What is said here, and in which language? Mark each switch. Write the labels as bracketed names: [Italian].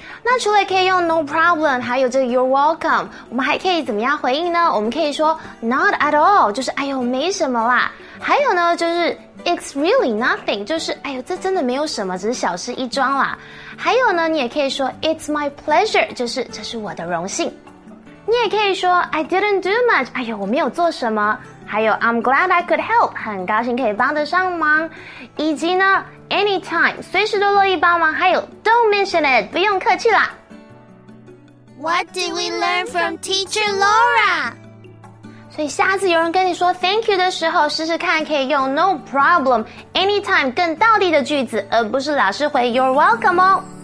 [Chinese] 那除了可以用 [English] no problem [Chinese] 还有这个 [English] you're welcome [Chinese] 我们还可以怎么样回应呢我们可以说 [English] not at all [Chinese] 就是哎呦没什么啦还有呢就是 [English] it's really nothing [Chinese] 就是哎呦这真的没有什么只是小事一桩啦还有呢你也可以说 [English] it's my pleasure [Chinese] 就是这是我的荣幸你也可以说 [English] I didn't do much [Chinese] 哎呦我没有做什么还有 [English] I'm glad I could help [Chinese] 很高兴可以帮得上忙以及呢 [English] Anytime, [Chinese] 随时都乐意帮忙。还有 ， [English] Don't mention it, [Chinese] 不用客气啦。 [English] What did we learn from Teacher Laura? [Chinese] 所以下次有人跟你说 [English] Thank you [Chinese] 的时候，试试看可以用 [English] No problem, Anytime [Chinese] 更道地的句子，而不是老是回 [English] You're welcome [Chinese] 哦。